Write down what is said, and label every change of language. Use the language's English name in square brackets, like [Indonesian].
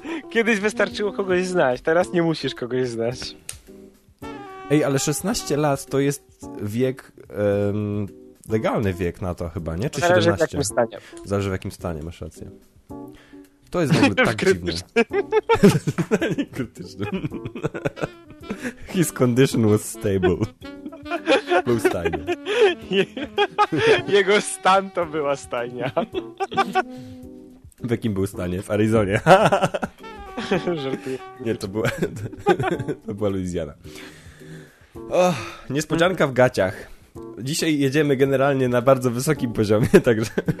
[Polish] Kiedyś wystarczyło kogoś znać, teraz nie musisz kogoś znać. Ej, ale 16 lat to jest wiek, legalny wiek na to chyba, nie? Czy 17? Zależy w jakim stanie. Zależy w jakim stanie, masz rację. To jest w ogóle tak dziwne. Nie krytyczny. [English] His condition was stable. [Polish] Był stajnia. Jego stan to była stajnia. W jakim był stanie? W Arizonie. Żartuję. Nie, to była Luizjana. Oh, niespodzianka w gaciach. Dzisiaj jedziemy generalnie na bardzo wysokim poziomie, także...